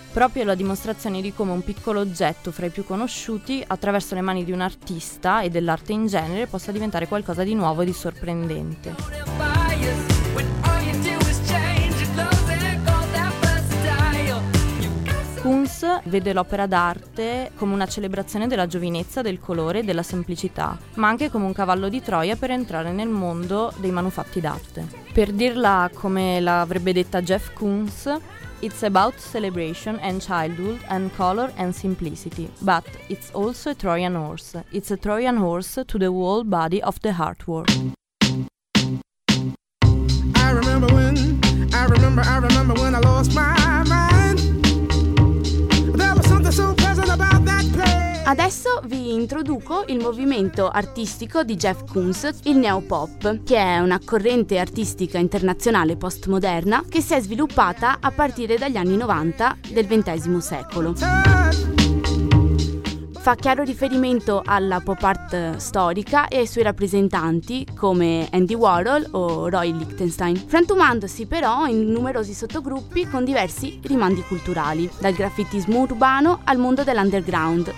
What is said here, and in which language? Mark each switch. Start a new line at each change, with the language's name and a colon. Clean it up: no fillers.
Italian: Proprio la dimostrazione di come un piccolo oggetto fra i più conosciuti, attraverso le mani di un artista e dell'arte in genere, possa diventare qualcosa di nuovo e di sorprendente. Koons vede l'opera d'arte come una celebrazione della giovinezza, del colore e della semplicità, ma anche come un cavallo di Troia per entrare nel mondo dei manufatti d'arte. Per dirla come l'avrebbe detta Jeff Koons:
English: "It's about celebration and childhood and color and simplicity, but it's also a Trojan horse. It's a Trojan horse to the whole body of the artwork." I remember when I lost my mind. There was something so pleasant about that place.
Italian: Adesso vi introduco il movimento artistico di Jeff Koons, il neopop, che è una corrente artistica internazionale postmoderna che si è sviluppata a partire dagli anni 90 del XX secolo. Fa chiaro riferimento alla pop art storica e ai suoi rappresentanti come Andy Warhol o Roy Lichtenstein, frantumandosi però in numerosi sottogruppi con diversi rimandi culturali, dal graffitismo urbano al mondo dell'underground,